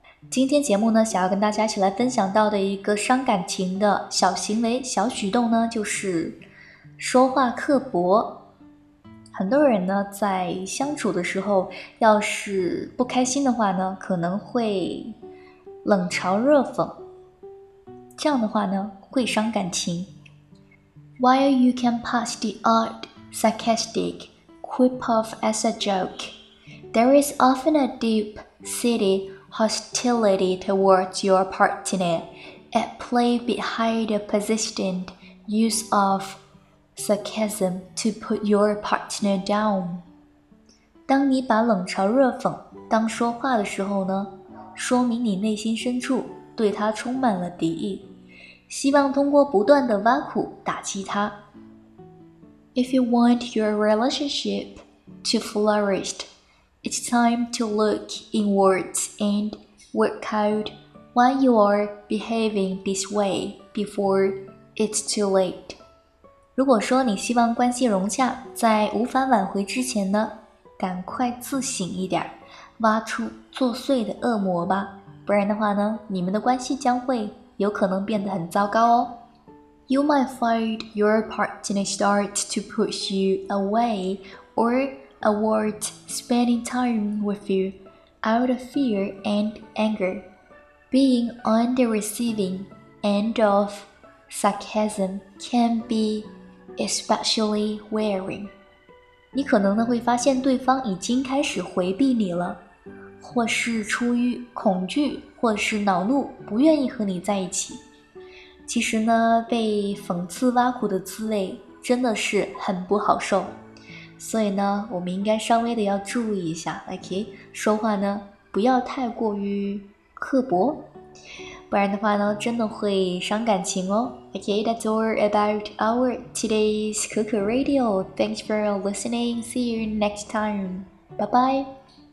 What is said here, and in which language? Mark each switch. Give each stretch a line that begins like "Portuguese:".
Chinese: 今天节目呢，想要跟大家一起来分享到的一个伤感情的小行为、小举动呢，就是说话刻薄。很多人呢，在相处的时候，要是不开心的话呢，可能会冷嘲热讽，这样的话呢，会伤感情。
English: While you can pass the odd sarcastic quip off as a joke, there is often a deep-seated hostility towards your partner at play behind a persistent use of sarcasm to put your partner down.
Chinese: 当你把冷嘲热讽当说话的时候呢，说明你内心深处对他充满了敌意，希望通过不断的挖苦打击他。
English: If you want your relationship to flourish, it's time to look inwards and work out why you are behaving this way before it's too late.
Chinese: 如果说你希望关系融洽，在无法挽回之前呢，赶快自省一点，挖出作祟的恶魔吧，不然的话呢，你们的关系将会有可能变得很糟糕哦。
English: You might find your partner starts to push you away or avoid spending time with you out of fear and anger. Being on the receiving end of sarcasm can be especially wearing.
Chinese: 你可能呢会发现对方已经开始回避你了，或是出于恐惧，或是恼怒，不愿意和你在一起。其实呢，被讽刺挖苦的滋味真的是很不好受。所以呢，我们应该稍微的要注意一下 ，OK， 说话呢不要太过于刻薄，不然的话呢，真的会伤感情哦。
English: Okay, that's all about our today's Kuku Radio. Thanks for listening. See you next time. Bye bye.